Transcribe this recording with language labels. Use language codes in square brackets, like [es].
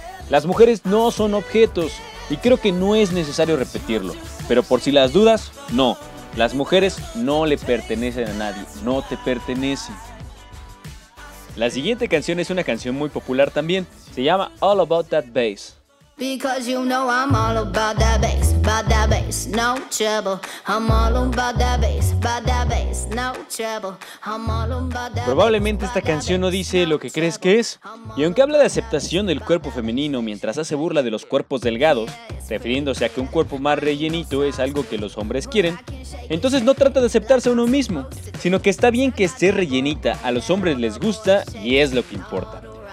[es] Las mujeres no son objetos, y creo que no es necesario repetirlo, pero por si las dudas, no. Las mujeres no le pertenecen a nadie, no te pertenecen. La siguiente canción es una canción muy popular también, se llama All About That Bass. [en] Because you know I'm all about that bass, no trouble. I'm all about that bass, no trouble. I'm all about that. [es] Probablemente esta canción no dice lo que crees que es. Y aunque habla de aceptación del cuerpo femenino mientras hace burla de los cuerpos delgados, refiriéndose a que un cuerpo más rellenito es algo que los hombres quieren, entonces no trata de aceptarse a uno mismo, sino que está bien que esté rellenita, a los hombres les gusta y es lo que importa.